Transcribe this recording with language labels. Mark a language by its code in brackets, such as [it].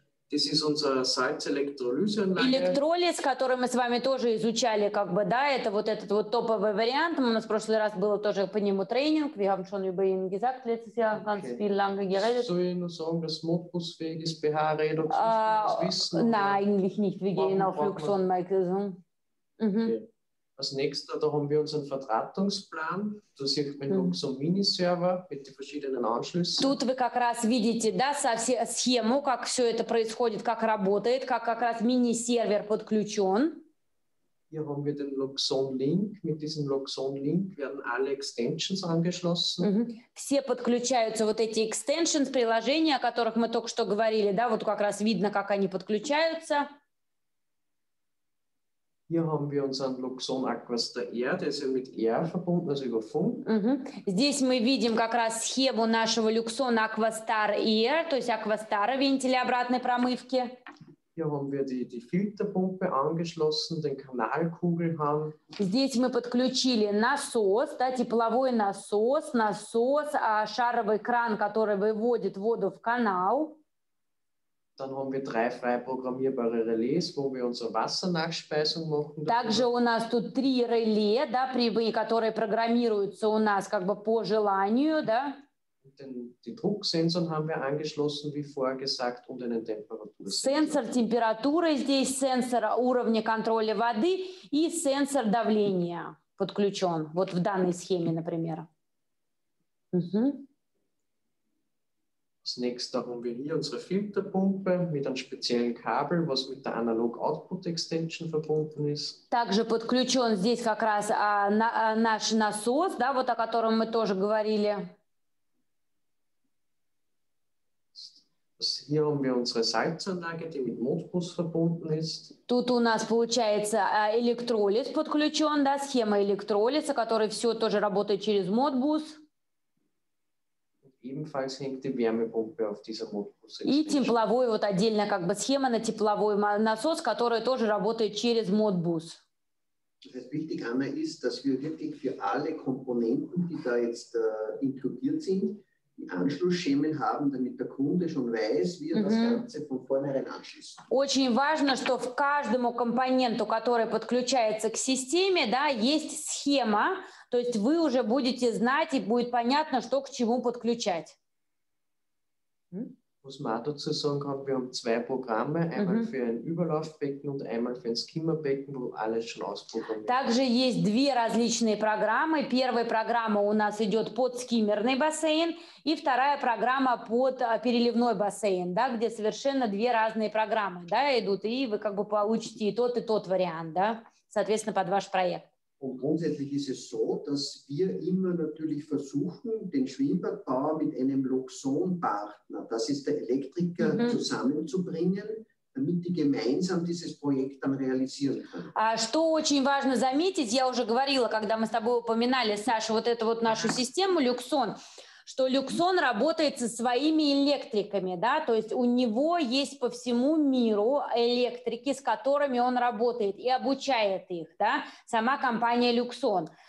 [de] Das ist unser Salzelektrolyseanlage. [ru] Электролиз, который мы с вами тоже изучали, как бы, да, это вот этот вот топовый вариант. У нас в прошлый раз было тоже по нему тренинг. [de] Wir haben schon über ihn gesagt letztes Jahr ganz viel lange geredet. Soll ich nur sagen, dass modbusfähig ist, pH-Redox, das wissen? Nein, eigentlich nicht. Wir gehen auf Luxon-Microson. Als nächster, da haben wir unseren Verdrahtungsplan. Da sieht man noch so einen Mini-Server mit den verschiedenen Anschlüssen. [ru] Тут вы как раз видите, да, схему, как все это происходит, как работает, как раз Mini-Server подключен. [de] Hier haben wir den Luxon-Link. Mit diesem Luxon-Link werden alle Extensions angeschlossen. Mm-hmm. [ru] Все подключаются вот эти Extensions, приложения, о которых мы только что говорили, да, вот как раз видно, как они подключаются. [de] Hier haben wir unseren Luxon Aquaster R, der ist mit R verbunden, also über Funk. Mm-hmm. [ru] Здесь мы видим как раз схему нашего Luxon Aquaster R, то есть Aquaster вентиля обратной промывки. [de] Hier haben wir die Filterpumpe angeschlossen, den Kanalkugel haben. [ru] Здесь мы подключили насос, да, тепловой насос, насос, шаровый кран, который выводит воду в канал. [de] Dann haben wir drei frei programmierbare Relais, wo wir unsere Wassernachspeisung machen. [ru] Также у нас тут три реле, да, которые программируются у нас как бы по желанию, да. [de] Den Drucksensor haben wir angeschlossen, wie vorher gesagt, und einen Temperatursensor. [ru] Сенсор температуры здесь, сенсор уровня контроля воды и сенсор давления подключен. Вот в данной схеме, например. Mhm. [de] Als nächstes haben wir hier unsere Filterpumpe mit einem speziellen Kabel, was mit der Analog Output Extension verbunden ist. [ru] Также подключен здесь как раз наш насос, да, вот о котором мы тоже говорили. [de] Hier haben wir unsere Salzanlage, die mit Modbus verbunden ist. [ru] Тут у нас получается электролиз подключен, да, схема электролиза, который все тоже работает через Modbus. [de] Ebenfalls hängt die Wärmepumpe auf dieser Modbus. [ru] И тепловой вот отдельно как бы схема на тепловой насос, который тоже работает через Modbus. [de] Was wichtig Anna ist, dass wir wirklich für alle Komponenten, die da jetzt inkludiert sind, Anschlussschemen haben, damit der Kunde schon weiß, wie er das Ganze von vornherein anschließt. [ru] Очень важно, что в каждому компоненту, который подключается к системе, да, есть схема, то есть вы уже будете знать и будет понятно, что к чему подключать. [de] Was man dazu sagen kann, wir haben zwei Programme, einmal für ein Überlaufbecken und einmal für ein Skimmerbecken, wo alles schon ausprogrammiert. [ru] Также есть две различные программы. Первая программа у нас идет под скиммерный бассейн, и вторая программа под переливной бассейн, да, где совершенно две разные программы, да, идут, и вы как бы получите и тот вариант, да, соответственно, под ваш проект. [de] Und grundsätzlich ist es so, dass wir immer natürlich versuchen, den Schwimmbadbauer mit einem Luxon-Partner, das ist der Elektriker, zusammenzubringen, damit die gemeinsam dieses Projekt dann realisieren können. [ru] Что очень важно заметить, я уже говорила, когда мы с тобой упоминали, Саша, вот эту вот нашу систему Luxon, что Luxon работает со своими электриками, да, то есть у него есть по всему миру электрики, с которыми он работает и обучает их, да, сама компания Luxon.